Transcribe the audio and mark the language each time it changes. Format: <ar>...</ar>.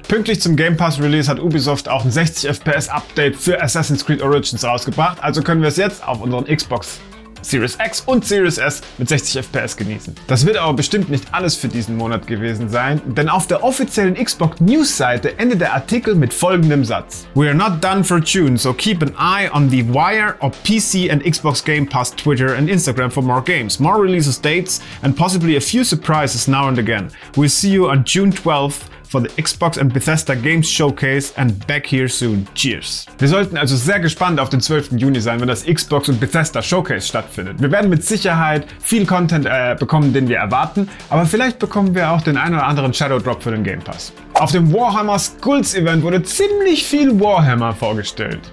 <de>Pünktlich zum Game Pass-Release hat Ubisoft auch ein 60fps-Update für Assassin's Creed Origins rausgebracht, also können wir es jetzt auf unseren Xbox Series X und Series S mit 60 FPS genießen. Das wird aber bestimmt nicht alles für diesen Monat gewesen sein, denn auf der offiziellen Xbox News Seite endet der Artikel mit folgendem Satz.</de> <en>We are not done for June, so keep an eye on the Wire or PC and Xbox Game Pass Twitter and Instagram for more games, more releases dates and possibly a few surprises now and again. We'll see you on June 12th. For the Xbox and Bethesda Games Showcase and back here soon. Cheers!</en> <de>Wir sollten also sehr gespannt auf den 12. Juni sein, wenn das Xbox und Bethesda Showcase stattfindet. Wir werden mit Sicherheit viel Content bekommen, den wir erwarten, aber vielleicht bekommen wir auch den ein oder anderen Shadow Drop für den Game Pass. Auf dem Warhammer Skulls Event wurde ziemlich viel Warhammer vorgestellt.</de>